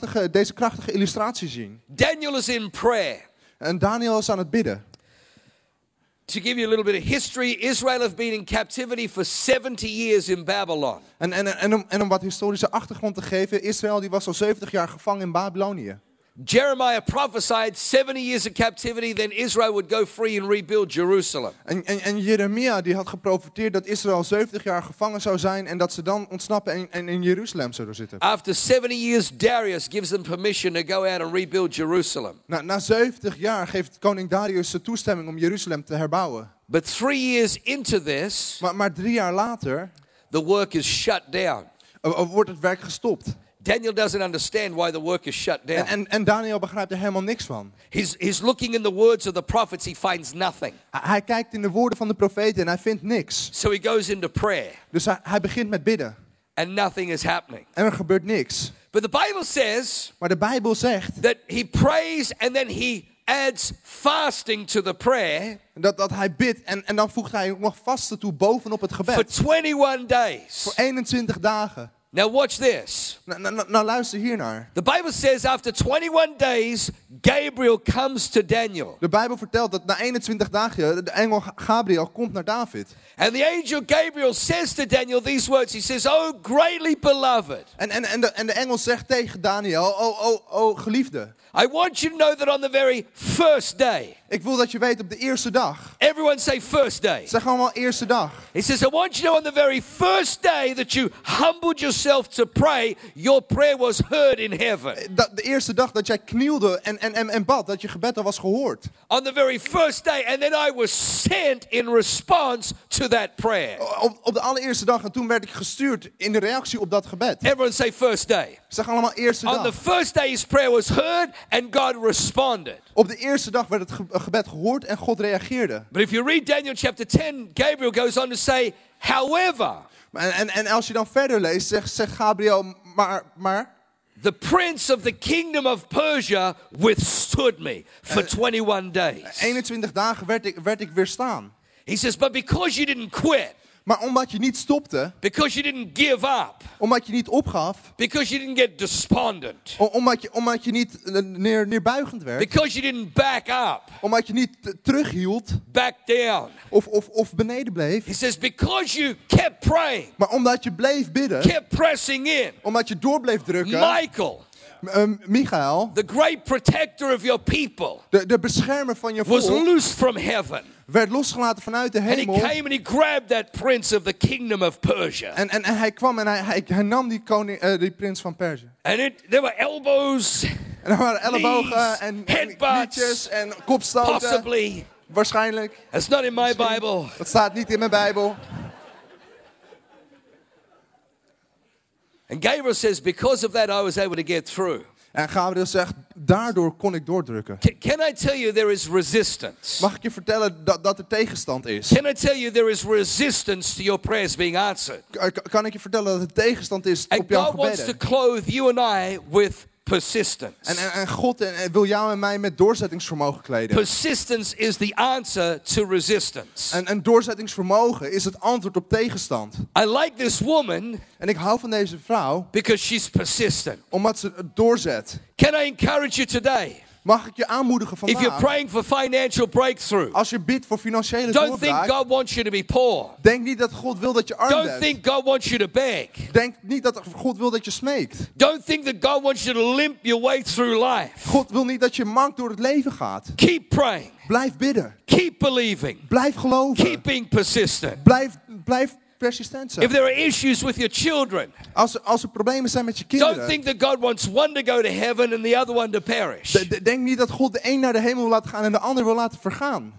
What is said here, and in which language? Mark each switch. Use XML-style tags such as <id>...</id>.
<nl>Deze krachtige illustratie zien.</nl> <en>Daniel is in prayer.</en> <nl>En Daniel is aan het bidden.</nl> <en>To give you a little bit of history, Israel have been in captivity for 70 years in Babylon.</en> <nl>En om wat historische achtergrond te geven, Israël die was al 70 jaar gevangen in Babylonië.</nl> <en>Jeremiah prophesied 70 years of captivity, then Israel would go free and rebuild Jerusalem.</en> <nl>En Jeremia die had geprofeteerd dat Israël 70 jaar gevangen zou zijn en dat ze dan ontsnappen en in Jeruzalem zouden zitten.</nl> <en>After 70 years, Darius gives them permission to go out and rebuild Jerusalem.</en> <nl>Na 70 jaar geeft koning Darius de toestemming om Jeruzalem te herbouwen.</nl> <en>But 3 years into this,</en> <nl>maar 3 jaar later,</nl> <en>the work is shut down.</en> <nl>Wordt het werk gestopt.</nl> <en>Daniel doesn't understand why the work is shut down.</en> <nl>En Daniel begrijpt er helemaal niks van.</nl> <en>He's looking in the words of the prophets, he finds nothing.</en> <nl>Hij kijkt in de woorden van de profeten en hij vindt niks.</nl> <en>So he goes into prayer.</en> <nl>Dus hij begint met bidden.</nl> <en>And nothing is happening.</en> <nl>En er gebeurt niks.</nl> <en>But the Bible says.</en> <nl>Maar de Bijbel zegt.</nl> <en>That he prays and then he adds fasting to the prayer.</en> <nl>Dat hij bidt en dan voegt hij nog vasten toe bovenop het gebed.</nl> <en>For 21 days.</en> <nl>Voor 21 dagen.</nl> <en>Now watch this.</en> <nl>Now luister hiernaar.</nl> <en>The Bible says after 21 days, Gabriel comes to Daniel.</en> <nl>De Bijbel vertelt dat na 21 dagen de engel Gabriel komt naar David.</nl> <en>And the angel Gabriel says to Daniel these words. He says, "Oh, greatly beloved."</en> <nl>En de engel zegt tegen Daniel, oh geliefde.</nl> <en>I want you to know that on the very first day.</en> <nl>Ik wil dat je weet op de eerste dag.</nl> <en>Everyone say first day.</en> <nl>Zeg allemaal eerste dag.</nl> <en>He says, I want you to know on the very first day that you humbled yourself to pray, your prayer was heard in heaven.</en> <nl>De eerste dag dat jij knielde en bad, dat je gebed al was gehoord.</nl> <en>On the very first day, and then I was sent in response to that prayer.</en> <nl>Op de allereerste dag, en toen werd ik gestuurd in de reactie op dat gebed.</nl> <en>Everyone say first day.</en> <nl>Zeg allemaal eerste dag.</nl> <en>On the first day his prayer was heard and God responded.</en> <nl>Op de eerste dag werd het gebed gehoord en God reageerde.</nl> <en>But if you read Daniel chapter 10, Gabriel goes on to say, however.</en> <nl>En als je dan verder leest, zegt Gabriel, maar.</nl> <en>The prince of the kingdom of Persia withstood me for 21 days.</en> <nl>21 dagen werd ik weerstaan.</nl> <en>He says, but because you didn't quit.</en> <nl>Maar omdat je niet stopte.</nl> <en>Because you didn't give up.</en> <nl>Omdat je niet opgaf.</nl> <en>Because you didn't get despondent.</en> <nl>Omdat je niet neerbuigend werd.</nl> <en>Because you didn't back up.</en> <nl>Omdat je niet terughield.</nl> <en>Back down.</en> <nl>Of beneden bleef.</nl> <en>He says, because you kept praying.</en> <nl>Maar omdat je bleef bidden.</nl> <en>Kept pressing in.</en> <nl>Omdat je door bleef drukken.</nl> <en>Michael.</en> <nl>Michael,</nl> <en>the great protector of your people,</en> <nl>de beschermer van je volk,</nl> <en>was loosed from heaven.</en> <nl>Werd losgelaten vanuit de hemel.</nl> <en>And he came and he grabbed that prince of the kingdom of Persia.</en> <nl>En hij kwam en hij nam die koning, die prins van Persia.</nl> <en>And there were elbows,</en> <nl>en er waren ellebogen en knietjes en kopstoten.</nl> <en>Possibly,</en> <nl>waarschijnlijk.</nl> <en>It's not in my Bible.</en> <nl>Dat staat niet in mijn Bijbel.</nl> <en>And Gabriel says, because of that, I was able to get through.</en> <nl>En Gabriel zegt, daardoor kon ik doordrukken.</nl> <en>Can I tell you there is resistance?</en> <nl>Mag ik je vertellen dat er tegenstand is?</nl> <en>Can I tell you there is resistance to your prayers being answered?</en> <nl>Kan ik je vertellen dat er tegenstand is op jouw</nl> <en>And God wants to clothe you and I with persistence.</en> <nl>En God wil jou en mij met doorzettingsvermogen kleden.</nl> <en>Persistence is the answer to resistance.</en> <nl>En doorzettingsvermogen is het antwoord op tegenstand.</nl> <en>I like this woman.</en> <nl>En ik hou van deze vrouw.</nl> <en>Because she's persistent.</en> <nl>Omdat ze doorzet.</nl> <en>Can I encourage you today?</en> <nl>Mag ik je aanmoedigen vandaag?</nl> <en>If you're praying for financial breakthrough.</en> <nl>Als je bidt voor financiële doorbraak.</nl> <en>Don't think God wants you to be poor.</en> <nl>Denk niet dat God wil dat je arm bent.</nl> <en>Don't think God wants you to beg.</en> <nl>Denk niet dat God wil dat je smeekt.</nl> <en>Don't think that God wants you to limp your way through life.</en> <nl>God wil niet dat je mank door het leven gaat.</nl> <en>Keep praying.</en> <nl>Blijf bidden.</nl> <en>Keep believing.</en> <nl>Blijf geloven.</nl> <en>Keep being persistent.</en> <nl>Blijf</nl> <en>if there are issues with your children,</en> <nl>als er problemen zijn met je kinderen,</nl> <en>don't think that God wants one to go to heaven and the other one to perish.</en> <nl>Denk niet dat God de een naar de hemel wil laten gaan en de ander wil laten vergaan.</nl>